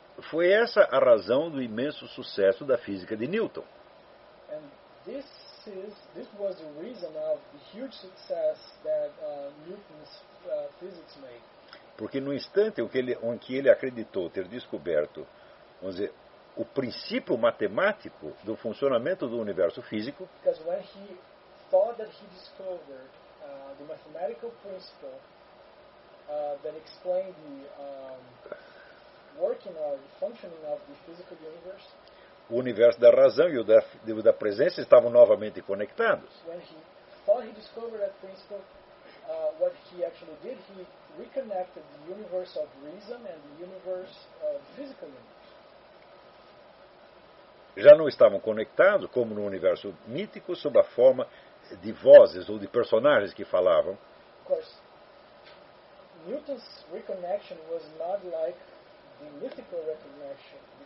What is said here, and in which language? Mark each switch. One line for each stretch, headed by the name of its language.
Portuguese: Foi essa a razão do imenso sucesso da física de Newton.
English: And this was the reason of the huge success that Newton's physics made.
Portuguese: Porque no instante em que ele acreditou ter descoberto, vamos dizer, o princípio matemático do funcionamento do universo físico,
English: because when he thought that he discovered the mathematical principle that explained the working or functioning of the physical universe.
Portuguese: O universo da razão e o da presença estavam novamente conectados.
English: When he thought he discovered that principle, what he actually did, he reconnected the universe of reason and the universe of physical universe.
Portuguese: Já não estavam conectados, como no universo mítico, sob a forma de vozes ou de personagens que falavam.
English: Of course, Newton's reconnection was not like the mythical reconnection.